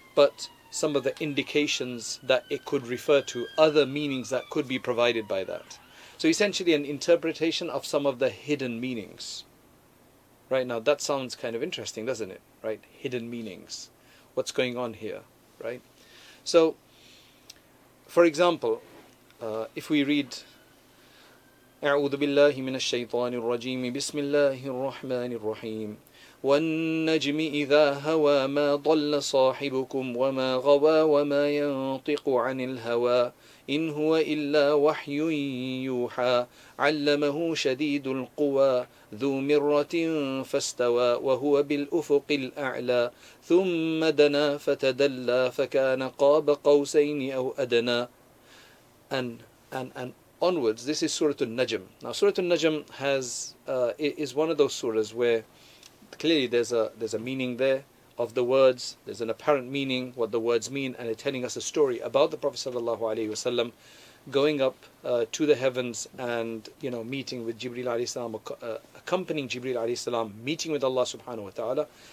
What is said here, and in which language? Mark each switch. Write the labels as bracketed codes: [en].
[en] But some of the indications that it could refer to, other meanings that could be provided by that. So essentially an interpretation of some of the hidden meanings. Right, now that sounds kind of interesting, doesn't it? Right, hidden meanings. What's going on here, right? So, for example, if we read [ar] أعوذ بالله من الشيطان الرجيم بسم الله الرحمن الرحيم والنجم إذا هوى ما ضل صاحبكم وما غوى وما ينطق عن الهوى إن هو إلا وحي يوحى علمه شديد القوى ذو مرة فاستوى وهو بالأفق الأعلى ثم دنا فتدلى فكان قاب قوسين أو أدنى. [en] And onwards, this is Surah Al-Najm. Now Surah Al-Najm is one of those surahs where clearly there's a meaning there of the words, there's an apparent meaning, what the words mean, and they're telling us a story about the Prophet sallallahu alaihi wasallam going up to the heavens and, you know, meeting with Jibreel alayhi salam, accompanying Jibreel alayhi salam, meeting with Allah subhanahu wa ta'ala.